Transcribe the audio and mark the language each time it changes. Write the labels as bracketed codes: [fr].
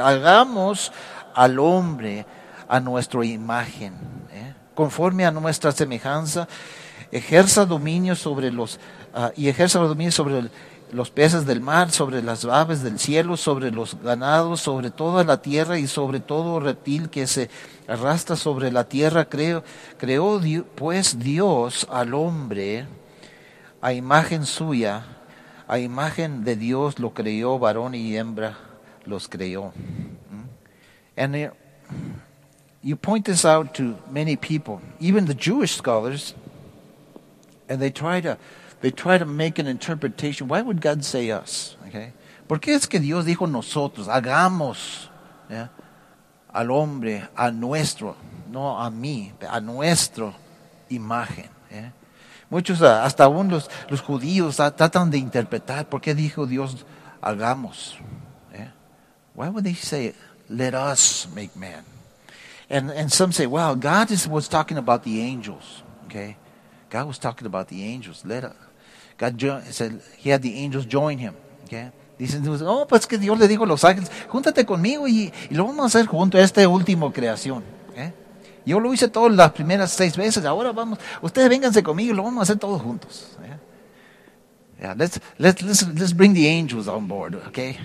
[es] Hagamos al hombre a nuestra imagen, conforme a nuestra semejanza, ejerza dominio sobre los peces del mar, sobre las aves del cielo, sobre los ganados, sobre toda la tierra y sobre todo reptil que se arrastra sobre la tierra. Creó pues Dios al hombre a imagen suya, a imagen de Dios lo creó, varón y hembra los creó. [en] And you point this out to many people, even the Jewish scholars, and they try to make an interpretation. Why would God say us? [es] Okay. ¿Por qué es que Dios dijo nosotros? Hagamos, al hombre, a nuestro, no a mí, a nuestro imagen. Muchos, hasta aún los judíos, tratan de interpretar por qué dijo Dios, hagamos. [en] Why would they say, let us make man? And some say, well, God was talking about the angels. Okay. God was talking about the angels. Let us. God said he had the angels join him. Okay? [es] Dicen, oh, pues que Dios le dijo a los ángeles, júntate conmigo y lo vamos a hacer junto a esta última creación. Okay? Yo lo hice todas las primeras seis veces, ahora vamos, ustedes vénganse conmigo y lo vamos a hacer todos juntos. [en] Okay? Yeah, let's bring the angels on board. Okay?